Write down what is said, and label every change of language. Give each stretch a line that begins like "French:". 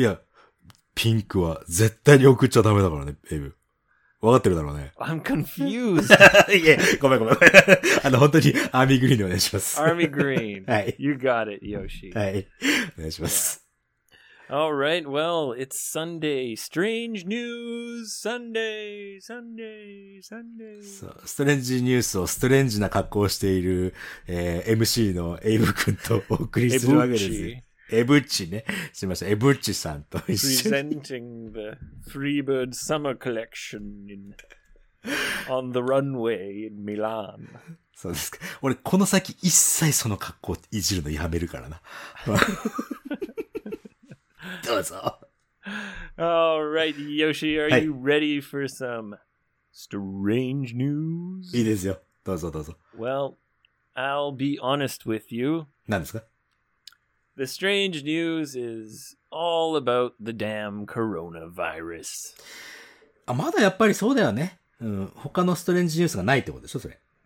Japanese: いや、ピンクは絶対に送っちゃダメだからね、エイブ。わかってるだろうね。
English: I'm confused.
Japanese: いや、ごめんごめん。本当にアーミーグリーンでお願いします。アーミーグリーン。はい。
English: You got it, Yoshi.
Japanese: はい。お願いします。Yeah.
English: All right, well, it's Sunday. Strange news, Sunday, Sunday, Sunday.
Japanese: そう、ストレンジニュースをストレンジな格好をしている、MC のエイブ君とお送りするわけです。エブッチね。すみません、エブッチさんと一緒に。
English: Presenting the Freebird Summer Collection in, on the runway in Milan.
Japanese: そうですか。俺、この先一切その格好をいじるのやめるからな。
English: All right, Yoshi, are you ready for some strange news?
Japanese: いいですよ。どうぞどうぞ。
English: Well, I'll be honest with you.
Japanese: 何ですか?
English: The strange news is all about the damn coronavirus.
Japanese: あ、まだやっぱりそうだよね。うん、他のストレンジニュースがないってことでしょ、それ。